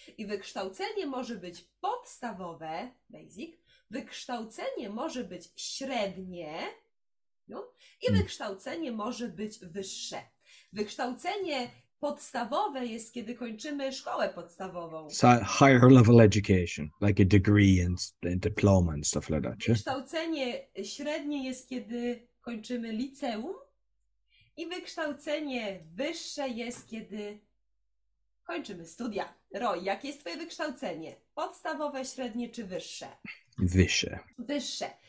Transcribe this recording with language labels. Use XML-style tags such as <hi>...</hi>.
<pl>I wykształcenie może być podstawowe, basic. Wykształcenie może być średnie. No? I wykształcenie może być wyższe. Wykształcenie podstawowe jest, kiedy kończymy szkołę podstawową.</pl> <en>So higher level education, like a degree and diploma and stuff like that.</en> <pl>Wykształcenie średnie jest, kiedy kończymy liceum. I wykształcenie wyższe jest, kiedy kończymy studia. Roy, jakie jest Twoje wykształcenie? Podstawowe, średnie czy wyższe? Wyższe. Wyższe.</pl>